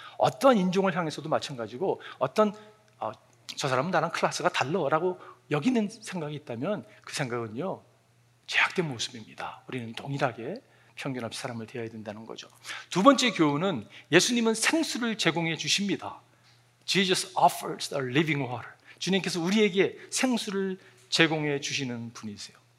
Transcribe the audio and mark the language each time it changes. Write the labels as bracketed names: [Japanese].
[Korean] 어떤 인종을 향해서도 마찬가지고 어떤 저 사람은 나랑 클래스가 달라라고 여기는 생각이 있다면 그 생각은요 제약된 모습입니다. 우리는 동일하게 편견 없이 사람을 대해야 된다는 거죠. 두 번째 교훈은 예수님은 생수를 제공해 주십니다. [English] Jesus offers the living water. [Korean] 주님께서 우리에게 생수를 제공해 주시는 분이세요.